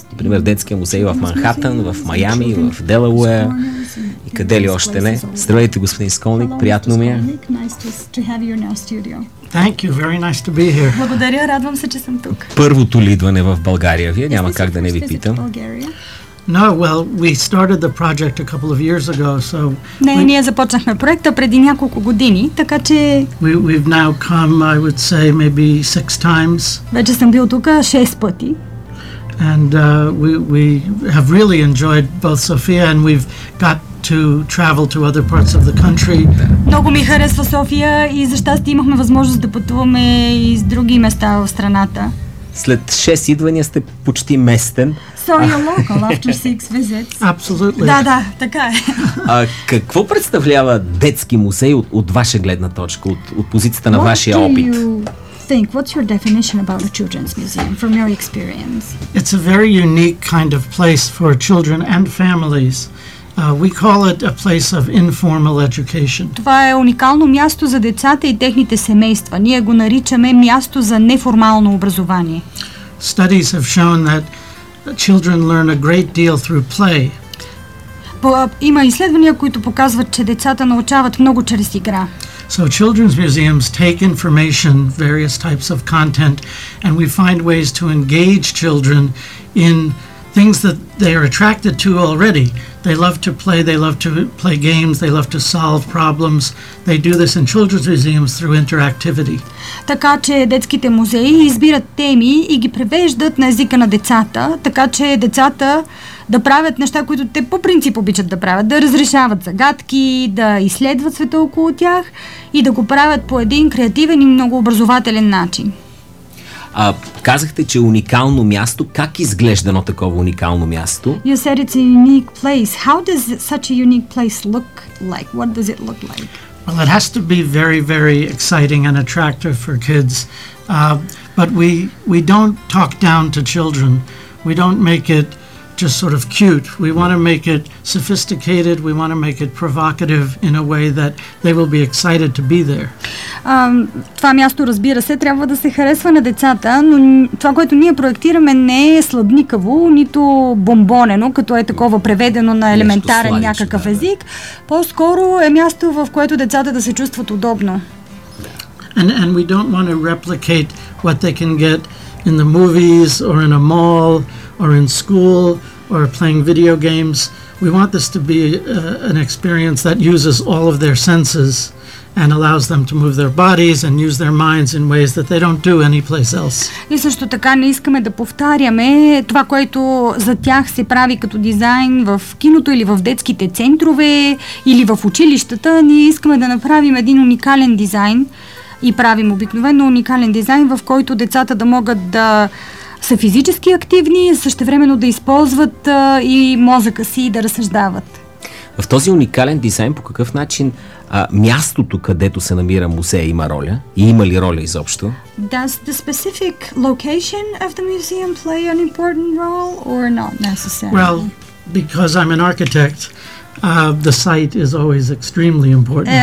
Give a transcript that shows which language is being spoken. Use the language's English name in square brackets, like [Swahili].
[Bulgarian] Например, детския музей в Манхатън, в Майами, в Делауэр и къде ли още не. Здравейте, господин Сколник, приятно ми е. [English] Thank you. Very nice to be here. [Bulgarian] Благодаря, радвам се, че съм тук. Първото ли идване в България вие? Няма как да не ви питам. [English] No, well, we started the project a couple of years ago, so... [Bulgarian] Не, ние започнахме проекта преди няколко години, така че... [English] We've now come, I would say, maybe six times. [Bulgarian] Вече съм бил тук шест пъти. [English] And we have really enjoyed both Sofia and we've got to travel to other parts of the country. [Bulgarian] Много ми харесва София и за щастие имахме възможност да пътуваме и с други места в страната. След 6 идвания сте почти местен. [English] So you're local after 6 visits. Absolutely. [Bulgarian] Да, да, така е. Какво представлява детски музей от ваша гледна точка, от позицията на вашия опит? [English] Think what's your definition about a children's museum from your experience? It's a very unique kind of place for children and families. We call it a place of informal education. [Bulgarian] Това е уникално място за децата и техните семейства. Ние го наричаме място за неформално образование. [English] Studies have shown that children learn a great deal through play. [Bulgarian] Има изследвания, които показват, че децата научават много чрез игра. [English] So children's museums take information, various types of content, and we find ways to engage children in things that they are attracted to already. They love to play, they love to play games, they love to solve problems. They do this in children's museums through interactivity. [Bulgarian] Така че детските музеи избират теми и ги превеждат на езика на децата, така че децата да правят неща, които те по принцип обичат да правят, да разрешават загадки, да изследват света около тях и да го правят по един креативен и много образователен начин. Казахте, че е уникално място. Как изглежда едно такова уникално място? [English] You said it's a unique place. How does such a unique place look like? What does it look like? Well, it has to be very, very exciting and attractive for kids. But we don't talk down to children. We don't make it just sort of cute. We want to make it sophisticated, we want to make it provocative in a way that they will be excited to be there. [Bulgarian] Това място, разбира се, трябва да се харесва на децата, но това, което ние проектираме, не е сладникаво, нито бомбонено, като е такова преведено на елементарен някакъв език. По-скоро е място, в което децата да се чувстват удобно. [English] And we don't want to replicate what they can get in the movies or in a mall or in school or playing video games. We want this to be an experience that uses all of their senses and allows them to move their bodies and use their minds in ways that they don't do anyplace else. [Bulgarian] И също така не искаме да повтаряме това, което за тях се прави като дизайн в киното или в детските центрове или в училищата. Ние искаме да направим един уникален дизайн и правим обикновено уникален дизайн, в който децата да могат да са физически активни, същевременно да използват и мозъка си и да разсъждават. В този уникален дизайн по какъв начин мястото, където се намира музея, има роля? И има ли роля изобщо? [English] Does the specific location of the museum play an important role or not necessarily? Well, because I'm an architect, the site is always extremely important.